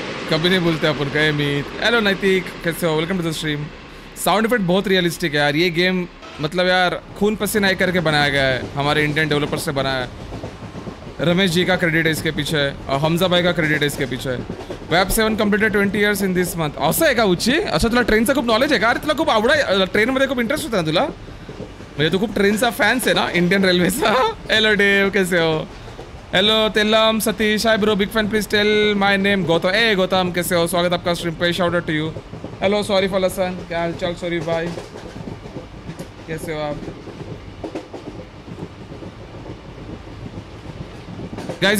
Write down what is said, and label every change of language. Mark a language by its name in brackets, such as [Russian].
[Hindi] कभी नहीं भूलते अपन का अमित। हेलो नैतिक, कैसे हो? [English] Welcome to the stream. [Hindi] Sound effect बहुत रियलिस्टिक है यार ये गेम, मतलब यार खून पसीना करके बनाया गया है, हमारे इंडियन डेवलपर से बनाया है। रमेश जी का क्रेडिट है इसके पीछे और हमजा भाई का क्रेडिट है इसके पीछे। [English] Web 7 completed 20 years in this month. [Marathi] असं है का उच्ची? अच्छा तुला ट्रेन से खूप नॉलेज है का? अरे तुला खूप आवड ट्रेन मध्ये, खूप इंटरेस्ट होता ना तुला? म्हणजे तू खूप ट्रेनचा फॅन्स आहे ना, इंडियन रेल्वेचा। हॅलो डेव, कसे हो? [English] Hello तेलम Satish, hi bro, big fan, please tell my name Gautam. [Hindi] ए गौतम कैसे हो, स्वागत आपका स्ट्रीम पे, [English] Shout out to you. Hello sorry for लसन, [Hindi] क्या हाल चाल? सॉरी भाई, कैसे हो आप गाइज?